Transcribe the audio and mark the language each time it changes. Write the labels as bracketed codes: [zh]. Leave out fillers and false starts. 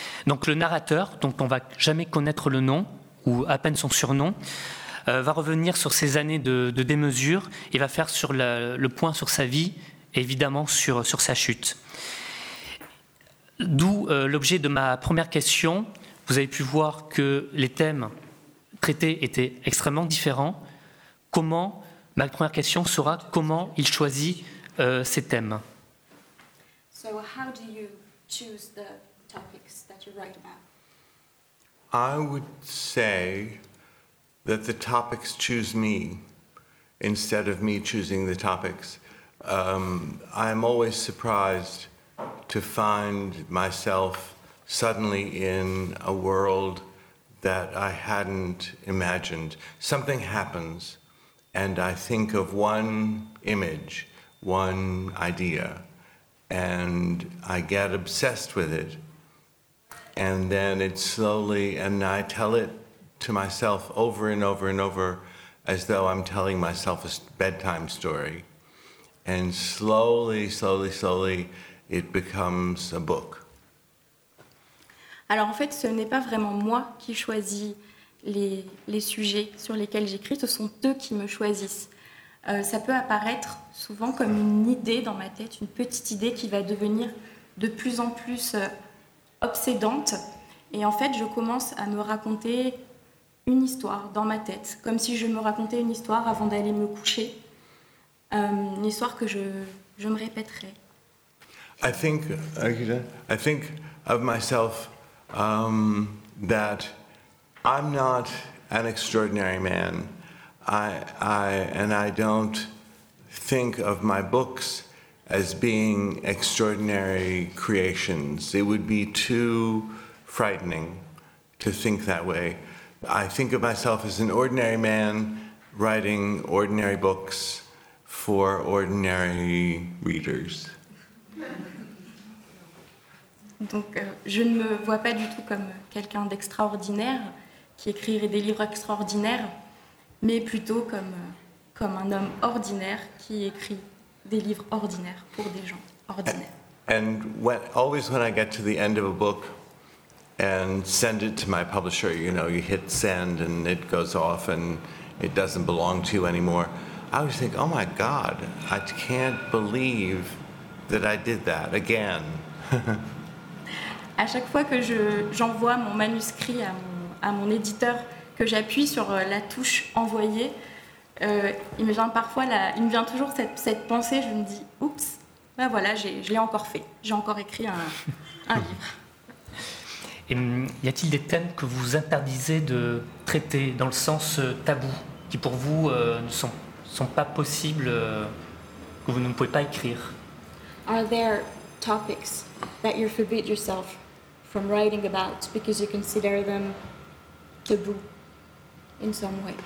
[fr] Donc le narrateur, dont on ne va jamais connaître le nom, ou à peine son surnom, va revenir sur ses années de démesure et va faire sur le point sur sa vie, et évidemment sur sa chute. D'où l'objet de ma première question. Vous avez pu voir que les thèmes traités étaient extrêmement différents. Ma première question sera comment il choisit ces thèmes. [en] So how do you choose the topics that you write about? I would say that the topics choose me instead of me choosing the topics. I'm always surprised to find myself suddenly in a world that I hadn't imagined. Something happens, and I think of one image, one idea, and I get obsessed with it. And then it slowly, and I tell it to myself over and over and over, as though I'm telling myself a bedtime story. And slowly, slowly, slowly, it becomes a book. [fr] Alors en fait, ce n'est pas vraiment moi qui choisis les sujets sur lesquels j'écris, ce sont eux qui me choisissent. Ça peut apparaître souvent comme une idée dans ma tête, une petite idée qui va devenir de plus en plus obsédante. Et en fait, je commence à me raconter une histoire dans ma tête, comme si je me racontais une histoire avant d'aller me coucher, une histoire que je me répéterai. [en] I think of myself that I'm not an extraordinary man. I don't think of my books as being extraordinary creations. It would be too frightening to think that way. I think of myself as an ordinary man writing ordinary books for ordinary readers. [fr] Donc, je ne me vois pas du tout comme quelqu'un d'extraordinaire qui écrirait des livres extraordinaires, mais plutôt comme un homme ordinaire qui écrit des livres ordinaires pour des gens ordinaires. [en] And when, always when I get to the end of a book and send it to my publisher, you know, you hit send and it goes off and it doesn't belong to you anymore, I always think, oh my God, I can't believe that I did that again. [fr] À chaque fois que j'envoie mon manuscrit à mon éditeur, que j'appuie sur la touche envoyer, il me vient toujours cette pensée, je me dis, oups, ben voilà, je l'ai encore fait, j'ai encore écrit un livre. Et y a-t-il des thèmes que vous interdisez de traiter dans le sens tabou, qui pour vous ne sont pas possibles, que vous ne pouvez pas écrire? [en] Are there topics that you forbid yourself from writing about because you consider them taboo in some way?